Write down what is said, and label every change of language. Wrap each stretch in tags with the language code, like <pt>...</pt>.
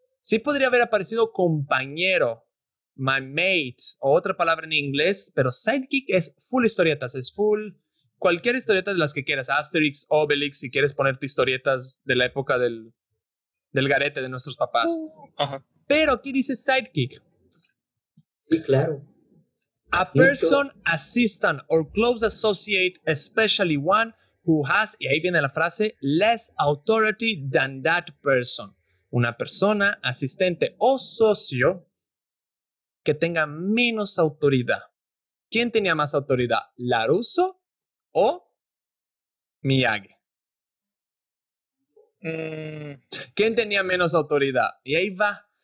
<es>Sí podría haber aparecido compañero,</es> <en>my mate,</en> <es>o otra palabra en inglés, pero sidekick es full historietas, es full cualquier historieta de las que quieras, Asterix, Obelix, si quieres ponerte historietas de la época del garete de nuestros papás. Ajá. Pero aquí dice sidekick. Sí, claro.</es> <en>A person, assistant, or close associate, especially one who has,</en> <es>y ahí viene la frase,</es> <en>less authority than that person.</en> <es>Una persona, asistente o socio que tenga menos autoridad. ¿Quién tenía más autoridad? ¿Larusso o Miyagi? ¿Quién tenía menos autoridad? Y ahí va.</es>